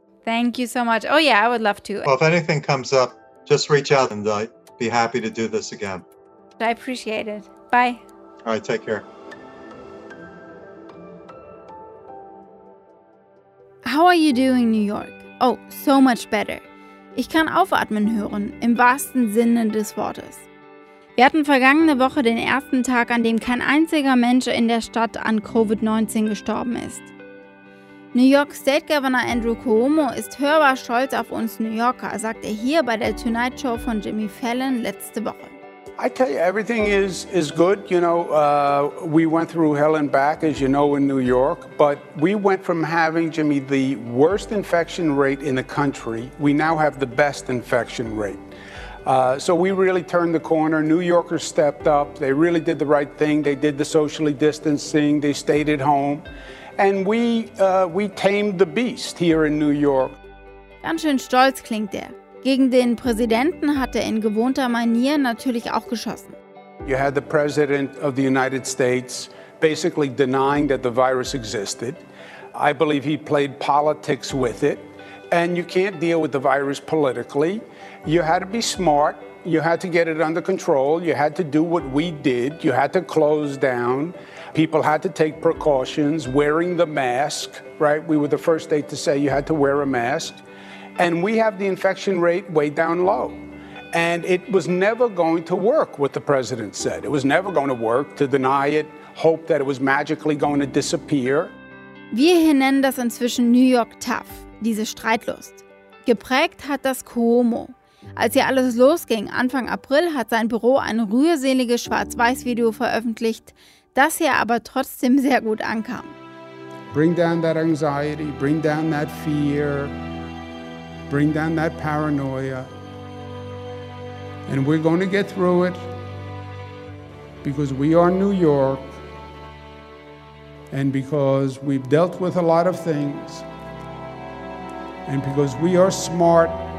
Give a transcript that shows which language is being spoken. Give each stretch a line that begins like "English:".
English: Thank you so much. Oh, yeah, I would love to. Well, if anything comes up, just reach out and I'd be happy to do this again. I appreciate it. Bye. All right, take care. How are you doing, New York? Oh, so much better.
German: Ich kann aufatmen hören, im wahrsten Sinne des Wortes. Wir hatten vergangene Woche den ersten Tag, an dem kein einziger Mensch in der Stadt an Covid-19 gestorben ist. New York State Governor Andrew Cuomo ist hörbar stolz auf uns New Yorker, sagt er hier bei der Tonight Show von Jimmy Fallon letzte Woche.
English: I tell you, everything is good. You know, we went through hell and back, as you know, in New York. But we went from having, Jimmy, the worst infection rate in the country. We now have the best infection rate. So we really turned the corner. New Yorkers stepped up. They really did the right thing. They did the socially distancing. They stayed at home. And we tamed the beast here in New York.
German: Ganz schön stolz klingt er. Gegen den Präsidenten hat er in gewohnter Manier natürlich auch geschossen.
English: You had the President of the United States basically denying that the virus existed. I believe he played politics with it. And you can't deal with the virus politically. You had to be smart. You had to get it under control. You had to do what we did. You had to close down. People had to take precautions, wearing the mask, right? We were the first state to say you had to wear a mask. And we have the infection rate way down low. And it was never going to work, what the president said. It was never going to work to deny it, hope that it was magically going to disappear.
German: Wir hier nennen das inzwischen New York Tough, diese Streitlust. Geprägt hat das Cuomo. Als hier alles losging, Anfang April, hat sein Büro ein rührseliges Schwarz-Weiß-Video veröffentlicht, das hier aber trotzdem sehr gut ankam.
English: Bring down that anxiety, bring down that fear. Bring down that paranoia. And we're going to get through it. Because we are New York. And because we've dealt with a lot of things. And because we are smart.